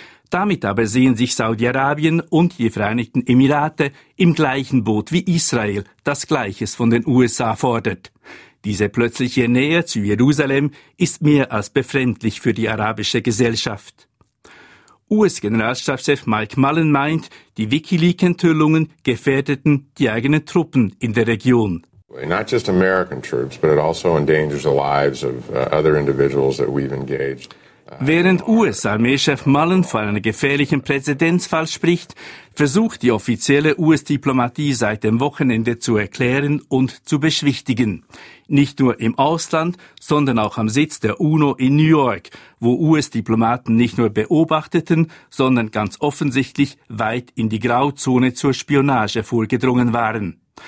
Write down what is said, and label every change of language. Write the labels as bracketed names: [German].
[German] Damit aber sehen sich Saudi-Arabien und die Vereinigten Emirate im gleichen Boot wie Israel, das Gleiches von den USA fordert. Diese plötzliche Nähe zu Jerusalem ist mehr als befremdlich für die arabische Gesellschaft. US-Generalstabschef Mike Mullen meint, die WikiLeaks-Enthüllungen gefährdeten die eigenen Truppen in der Region. [English] Not just American troops, but it also endangers the lives of other individuals that we've engaged. [German] Während US-Armeechef Mullen von einem gefährlichen Präzedenzfall spricht, versucht die offizielle US-Diplomatie seit dem Wochenende zu erklären und zu beschwichtigen. Nicht nur im Ausland, sondern auch am Sitz der UNO in New York, wo US-Diplomaten nicht nur beobachteten, sondern ganz offensichtlich weit in die Grauzone zur Spionage vorgedrungen waren.